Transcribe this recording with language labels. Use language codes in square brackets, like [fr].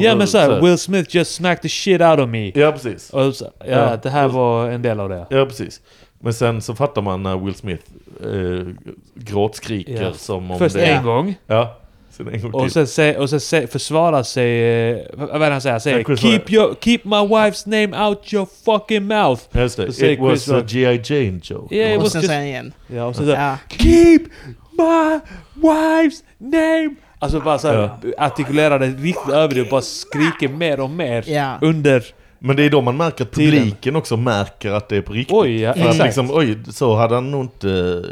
[sv] Ja, men så här, [en] Will Smith just smacked the shit out of me. [sv] Ja, precis. Och så, det här var en del av det. Ja, precis. Men sen så fattar man när Will Smith gråtskriker som om först det... Först en gång. Ja. Och sen försvarar sig, vad är han säger? Säger [en] keep my wife's name out your fucking mouth. It was a G.I. Jane joke. Yeah, it was just saying. [sv] Ja, och så [en] keep my wife's name. [sv] Alltså bara så här, artikulerade riktigt över det och bara skriker mer och mer under. Men det är då man märker att publiken tiden. Också märker att det är på riktigt. Oj, liksom, oj, så hade han nog inte.